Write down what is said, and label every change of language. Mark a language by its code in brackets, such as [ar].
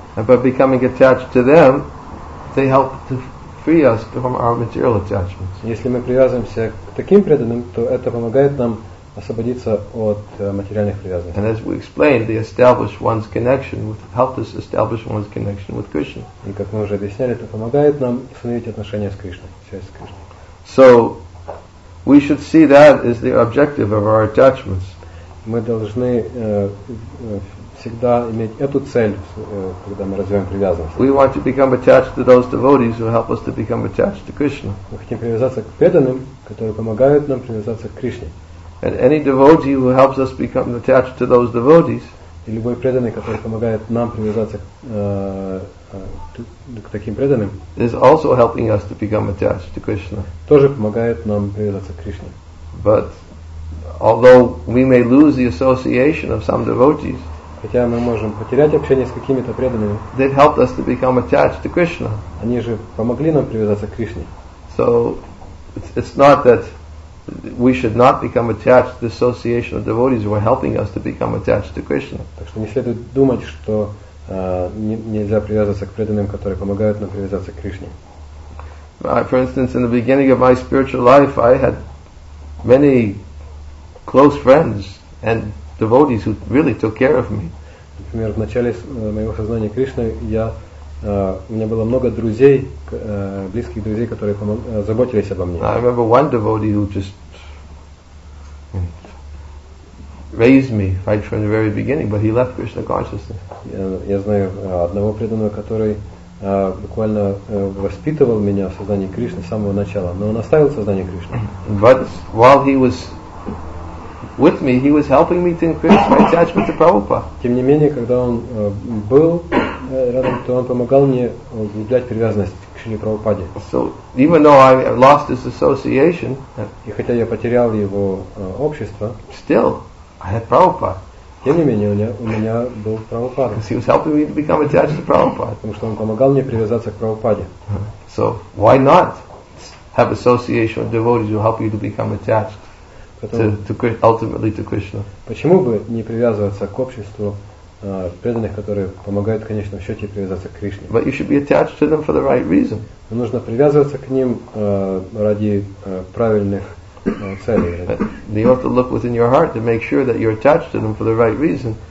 [en] And by becoming attached to them, they help to free us from our material attachments. [ru] Если мы привязываемся к таким преданным, то это помогает нам освободиться от материальных привязанностей. [en] And as we explained, they establish one's connection with, help us establish one's connection with Krishna. [ru] И как мы уже объясняли, это помогает нам установить отношения с Кришной, связь с Кришной. [en] So we should see that as the objective of our attachments. [ru] Мы должны всегда иметь эту цель, когда мы развиваем привязанность. [en] We want to become attached to those devotees who help us to become attached to Krishna. [ru] Мы хотим привязаться к преданным, которые помогают нам привязаться к Кришне. [en] And any devotee who helps us become attached to those devotees, [ru] и любой преданный, который помогает нам привязаться к таким преданным, [en] is also helping us to become attached to Krishna. [ru] Тоже помогает нам привязаться к Кришне. [en] But although we may lose the association of some devotees, [ru] хотя мы можем потерять общение с какими-то преданными, [en] they've helped us to become attached to Krishna. [ru] Они же помогли нам привязаться к Кришне. [en] So it's not that we should not become attached to the association of devotees who are helping us to become attached to Krishna. [ru] Так что не следует думать, что нельзя привязываться к преданным, которые помогают нам привязаться к Кришне. [en] For instance, in the beginning of my spiritual life, I had many close friends and devotees who really took care of me. [ru] Например, в начале моего сознания Кришны я у меня было много друзей, близких друзей, которые заботились обо мне. [en] I remember one devotee who just raised me right from the very beginning, but he left Krishna consciousness. [ru] Я знаю одного преданного, который буквально воспитывал меня в сознании Кришны с самого начала, но он оставил сознание Кришны. [en] But while he was with me, he was helping me to increase my attachment to Prabhupada. [ru] Тем не менее, когда он был рядом, то он помогал мне углублять привязанность к Шри Прабхупаде. [en] So even though I lost his association, [ru] и хотя я потерял его общество, [en] still I had Prabhupada. [ru] Тем не менее, у меня был Прабхупада. [en] He was helping me to become attached to Prabhupada. [ru] Потому что он помогал мне привязаться к Прабхупаде. [en] So why not have association with devotees who help you to become attached? Ultimately to Krishna. [ru] Почему бы не привязываться к обществу преданных, которые помогают в конечном счете привязаться к Кришне? [en] But you should be attached to them for the right reason. [ru] Но нужно привязываться к ним ради правильных целей. [en] You have to look within your heart to make sure that you're attached to them for the right reason.